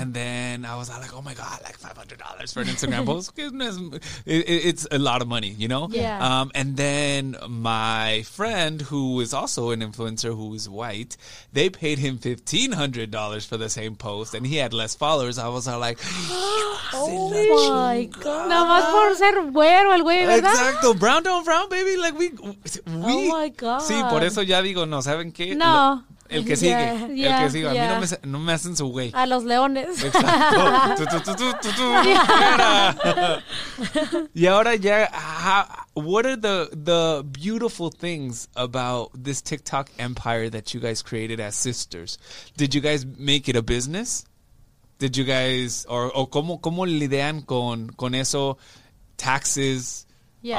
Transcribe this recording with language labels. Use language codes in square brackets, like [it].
[en] And then I was like, oh my God, like $500 for an Instagram post. It's a lot of money, you know? Yeah. And then my friend, who is also an influencer who is white, they paid him $1,500 for the same post and he had less followers. I was like, oh my God. [es] Nada más por ser güero el güey, ¿verdad? [en] Exacto. Brown don't frown, baby. Like we. Oh my God. [es] Sí, por eso ya digo, no, ¿saben qué? No. El que sigue. Yeah, el que sigue. Yeah. A mí no me hacen su güey. A los leones. Exacto. Tú. Yeah. Y ahora ya, [en] what are the beautiful things about this TikTok empire that you guys created as sisters? Did you guys make it a business? Did you guys, or [es] cómo lidian con eso, [en] taxes? Yeah.